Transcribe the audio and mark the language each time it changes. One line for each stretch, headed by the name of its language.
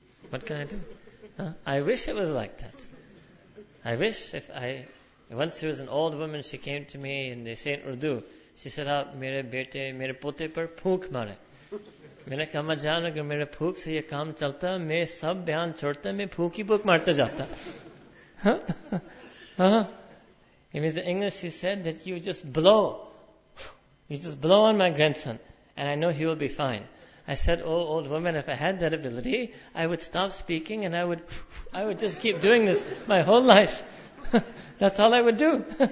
English: What can I do? Huh? I wish it was like that. I wish if I... Once there was an old woman, she came to me and they say in Urdu, she said,
Urdu: "Aap mere bete, mere pote par phook mare." میں نے کہا، "اماں جان، اگر میرے پھونک سے یہ کام چلتا، میں سب بیان چھوڑتا، میں پھونک ہی پھونک مارتا جاتا۔" Huh?
English: It means in English, she said that you just blow. You just blow on my grandson and I know he will be fine. I said, "Oh, old woman, if I had that ability, I would stop speaking and I would just keep doing this my whole life. That's all I would do.